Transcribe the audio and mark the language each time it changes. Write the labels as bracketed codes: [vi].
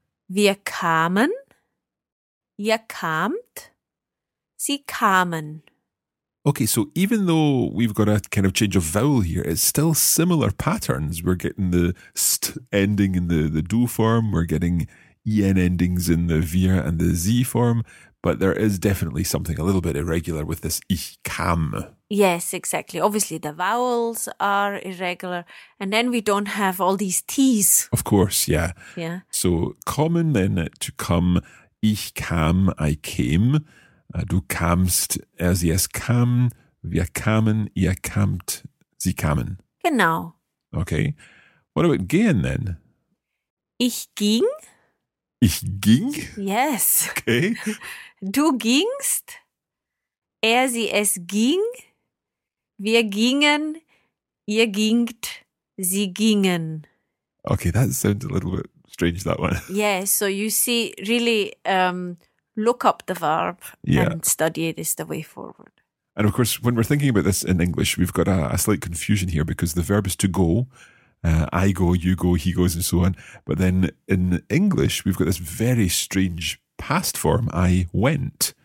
[de] Wir kamen, ihr kamt, sie kamen. [en] Okay, so even though we've got a kind of change of vowel here, it's still similar patterns. We're getting the st ending in the du form, we're getting en endings in the wir and the z form, but there is definitely something a little bit irregular with this ich kam. Yes, exactly. Obviously, the vowels are irregular. And then we don't have all these T's. Of course, yeah. Yeah. So, kommen then to come. [de] Ich kam, [en] I came. [de] Du kamst, er, sie, es kam. Wir kamen, ihr kamt, sie kamen. Genau. [en] Okay. What about gehen then? [de] Ich ging. Ich ging? [en] Yes. Okay. [de] Du gingst, er, sie, es ging. Wir gingen, ihr gingt, sie gingen. [en] Okay, that sounds a little bit strange, that one. Yeah, so you see, really look up the verb and study it is the way forward. And of course, when we're thinking about this in English, we've got a slight confusion here because the verb is to go. I go, you go, he goes, and so on. But then in English, we've got this very strange past form, I went.